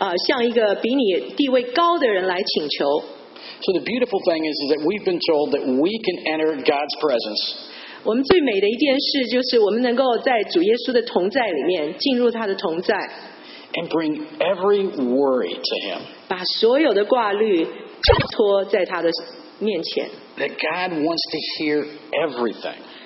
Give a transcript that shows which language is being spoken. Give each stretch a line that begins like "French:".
Chinese: 有的时候祈求你也可以是向一个比你地位高的人来请求。
English: So the beautiful thing is that we've been told that we can enter God's presence.
Chinese: 我们最美的一件事就是我们能够在主耶稣的同在里面进入他的同在。
English: And bring every worry to Him.
Chinese: 把所有的挂虑交托在他的面前。
English: That God wants to hear everything.